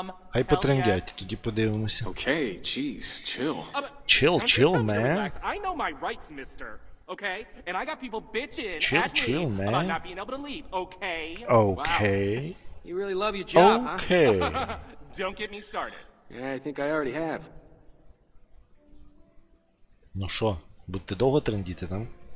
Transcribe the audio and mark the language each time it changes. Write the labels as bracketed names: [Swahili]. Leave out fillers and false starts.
[Ukrainian] Хай потрендять, тоді подивимося. [English] Окей, jeez, chill. Chill, man. I know my rights, mister. Okay? And I got people bitching chill, at me man. About not being able to leave, okay? Okay. Wow. You really love your job, okay. Huh? Okay. Don't get me started. Yeah, I think I already have. [Ukrainian] Ну що, будете довго трендіти там?